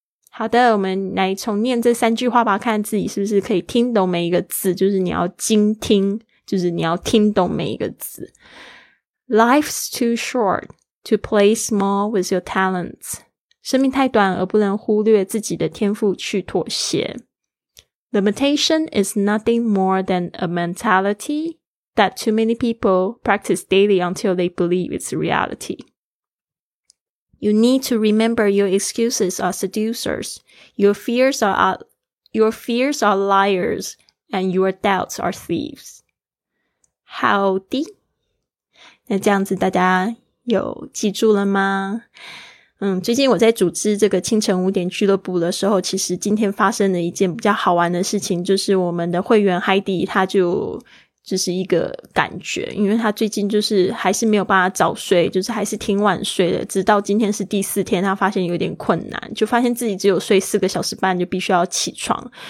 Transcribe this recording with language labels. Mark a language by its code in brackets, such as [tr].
[zh] 好的，我们来重念这三句话吧，看自己是不是可以听懂每一个字，就是你要精听，就是你要听懂每一个字。 [en] Life's too short to play small with your talents. [zh] 生命太短而不能忽略自己的天赋去妥协。 [en] Limitation is nothing more than a mentality that too many people practice daily until they believe it's reality. You need to remember your excuses are seducers, your fears are liars, and your doubts are thieves. [zh] 好的，那这样子大家有记住了吗？最近我在组织这个清晨五点俱乐部的时候，其实今天发生了一件比较好玩的事情，就是我们的会员 Heidi 他就是一个感觉，因为他最近就是还是没有办法早睡，就是还是挺晚睡的，直到今天是第四天，他发现有点困难，就发现自己只有睡四个小时半就必须要起床，